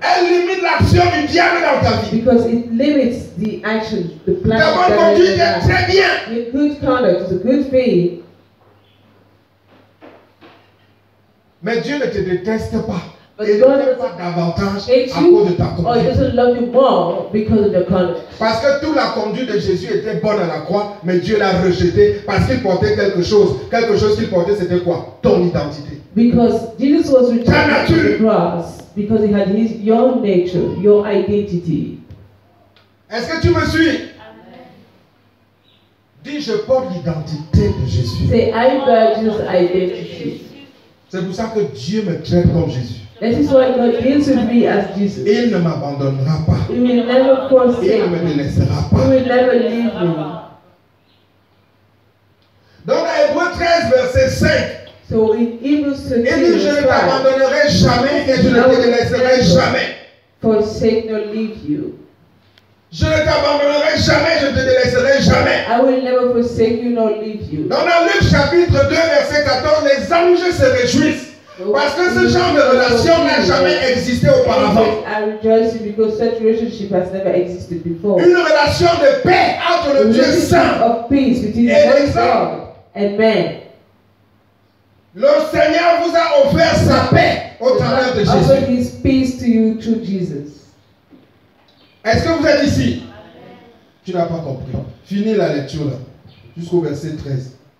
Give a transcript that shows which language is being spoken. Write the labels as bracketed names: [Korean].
[French] Elle limite l'action du diable dans ta vie. [English] Because it limits the action, the plan. [French] Ta bonne conduite est très bien. [English] Your good conduct is a good thing. [French] Mais Dieu ne te déteste pas. [English] But [French] il [English] God [French] ne t'aime pas davantage à cause de ta conduite. [English] Or he doesn't love you more because of your conduct. [French] Parce que toute la conduite de Jésus était bonne à la croix, mais Dieu l'a rejetée parce qu'il portait quelque chose. Quelque chose qu'il portait, c'était quoi? Ton identité. [English] Because Jesus was rejected on the cross because he had his your nature, your identity. [French] Est-ce que tu me suis? Amen. Dis, je porte l'identité de Jésus. [English] Say, I bear Jesus' identity. [French] C'est pour ça que Dieu me traite comme Jésus. [English] That is why God deals with me as Jesus. [French] Il ne m'abandonnera pas. [English] He will never forsake me. [French] Il ne me délaissera pas. [English] He will never leave me. [French] Donc, à Hébreux 13, verset 5. [English] So in Hebrews 13, [French] et dit, je ne t'abandonnerai jamais et je ne te délaisserai jamais. [English] Forsake nor leave you. [French] Je ne t'abandonnerai jamais, je ne te délaisserai jamais. [English] I will never forsake you nor leave you. [French] Donc dans Luc chapitre 2, verset 14, les anges se réjouissent. Parce que ce genre de relation n'a jamais existé auparavant. [English] I rejoice because such relationship has never existed before. [French] Une relation de paix entre le Dieu saint [English] of peace between God and man. [French] Le Seigneur vous a offert sa paix au travers de Jésus. [English] Offered his peace to you through Jesus. [French] Est-ce que vous êtes ici? Tu n'as pas compris. Finis la lecture là, jusqu'au verset 13.